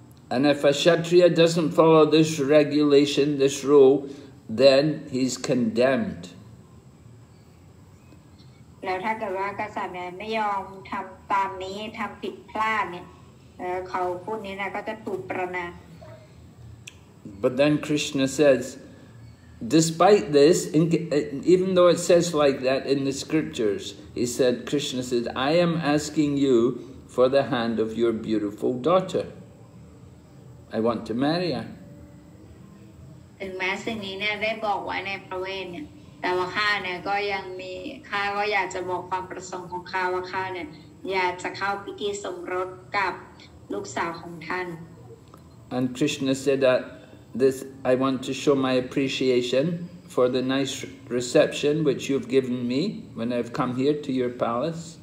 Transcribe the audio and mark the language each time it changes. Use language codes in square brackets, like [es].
[en] And if a Kshatriya doesn't follow this regulation, this rule, then he's condemned. [th] แล้วถ้าเกิดว่ากษัตริย์ไม่ยอมทำตามนี้ทำผิดพลาดเนี่ยเขาพูดนี้นะก็จะถูกประณาม [en] But then Krishna says despite this even though it says like that in the scriptures he said Krishna said I am asking you for the hand of your beautiful daughter I want to marry her [th] ถึงแม้สิ่งนี้เนี่ยได้บอกไว้ในประเวทเนี่ยแต่ว่าข้าเนี่ยก็ยังมีข้าก็อยากจะบอกความประสงค์ของข้าว่าข้าเนี่ยอยากจะเข้าพิธีสมรสกับลูกสาวของท่าน [en] And Krishna said thatThis, I want to show my appreciation for the nice reception which you've given me when I've come here to your palace.